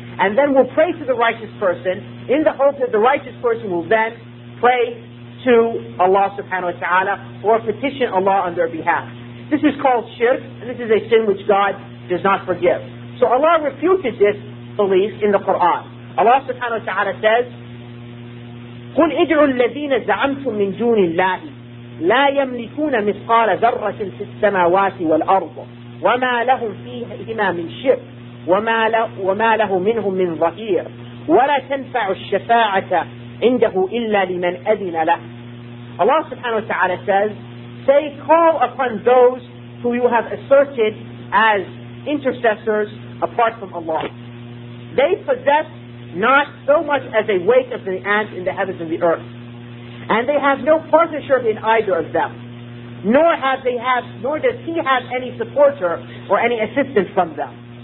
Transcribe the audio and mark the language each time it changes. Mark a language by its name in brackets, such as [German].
[English] and then we'll pray to the righteous person in the hope that the righteous person will then pray to Allah subhanahu wa ta'ala or petition Allah on their behalf. This is called shirk, and this is a sin which God does not forgive. So Allah refuted this belief in the Quran. Allah subhanahu wa ta'ala says, [Arabic] قُلْ اِدْعُوا الَّذِينَ زَعَمْتُمْ مِنْ دُونِ اللَّهِ لَا يَمْلِكُونَ مِثْقَالَ ذَرَّةٍ فِي السَّمَاوَاتِ وَالْأَرْضِ وَمَا لَهُمْ فِيهِمَا مِنْ شِرْكٍ وَمَا لَهُ مِنْهُمْ مِنْ ظَهِيرٍ وَلَا تَنْفَعُ الشَّفَاعَةَ عِنْدَهُ إِلَّا لِمَنْ أَذِنَ لَهُ. [English] Allah subhanahu wa ta'ala says, say, call upon those who you have asserted as intercessors apart from Allah. They possess not so much as a weight of the ant in the heavens and the earth, and they have no partnership in either of them, nor does he have any supporter or any assistance from them.